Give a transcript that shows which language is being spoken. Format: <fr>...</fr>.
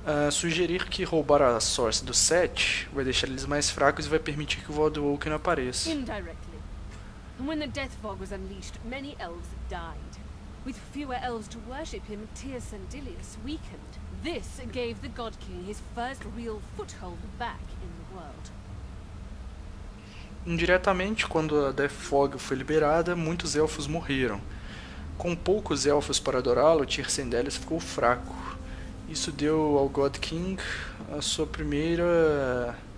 <pt>Sugerir que roubar a Source do Set vai deixar eles mais fracos e vai permitir que o Voidwalker não apareça.</pt> <en>Indiretly. When the Death Fog was unleashed, many elves died. With fewer elves to worship him, Tyr's Sandilius weakened. This gave the God King his first real foothold back in the world.</en> <pt>Indiretamente, quando a Death Fog foi liberada, muitos elfos morreram. Com poucos elfos para adorá-lo, Tyr's Sandilius ficou fraco. Isso deu ao God King a sua primeira...</pt>